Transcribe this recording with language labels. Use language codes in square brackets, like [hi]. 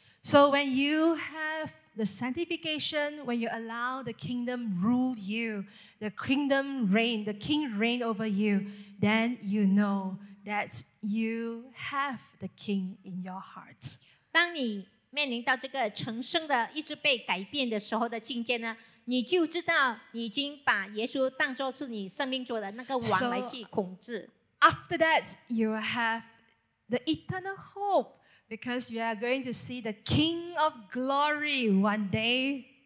[en] So when you have the sanctification, when you allow the kingdom rule you, the kingdom reign, the king reign over you, then you know that you have the king in your heart. [zh] 当你面临到这个成圣的，一直被改变的时候的境界呢？你就知道你已经把耶稣当作是你生命中的那个王来去控制。 [en] So, after that, you will have the eternal hope because you are going to see the King of Glory one day.